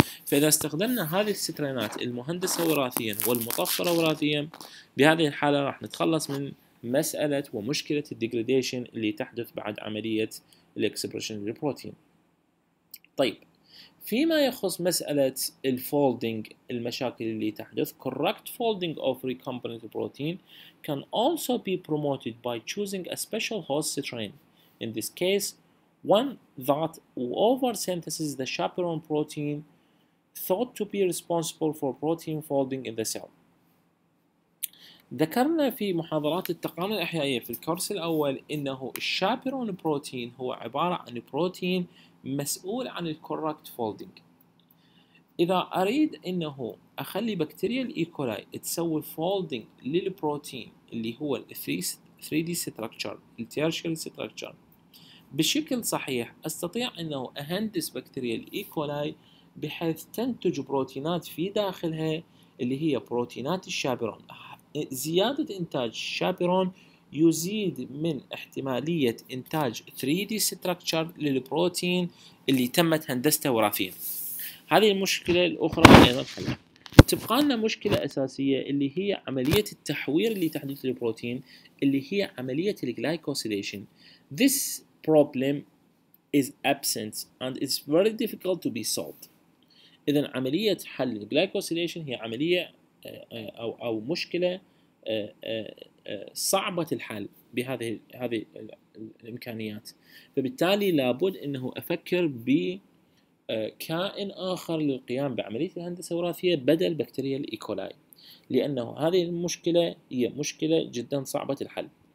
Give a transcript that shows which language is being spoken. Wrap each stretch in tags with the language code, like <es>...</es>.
<ar>فإذا استخدمنا هذه السترينات المهندسة وراثيا والمطفرة وراثيا بهذه الحالة راح نتخلص من مسألة ومشكلة الديجريديشن اللي تحدث بعد عملية الإكسبرشن للبروتين. طيب فيما يخص مسألة الفولدينج، المشاكل اللي تحدث</ar> <en>correct folding of recombinant protein can also be promoted by choosing a special host strain. In this case one that oversynthesizes the chaperone protein thought to be responsible for protein folding in the cell.</en> <ar>ذكرنا في محاضرات التقانون الأحيائية في الكورس الأول إنه الشابيرون بروتين هو عبارة عن بروتين مسؤول عن الكوركت فولدينج. إذا أريد إنه أخلي بكتيريا الإيكولاي تسوي فولدينج للبروتين اللي هو 3D structure التيرشيال structure بشكل صحيح، أستطيع إنه أهندس بكتيريا الإيكولاي بحيث تنتج بروتينات في داخلها اللي هي بروتينات الشابيرون. زيادة إنتاج الشابيرون يزيد من احتمالية إنتاج 3D structure للبروتين اللي تمت هندسته وراثيا. هذه المشكلة الأخرى أيضا حلها. تبقى لنا مشكلة أساسية اللي هي عملية التحوير اللي تحدث للبروتين اللي هي عملية الجلايكوسيليشن.</ar> <en>This problem is absent and it's very difficult to be solved.</en> <ar>إذن عملية حل الجلايكوسيليشن هي عملية أو مشكلة صعبة الحل بهذه الإمكانيات. فبالتالي لابد أنه أفكر بكائن آخر للقيام بعملية الهندسة الوراثية بدل بكتيريا الإيكولاي، لأنه هذه المشكلة هي مشكلة جدا صعبة الحل.</ar>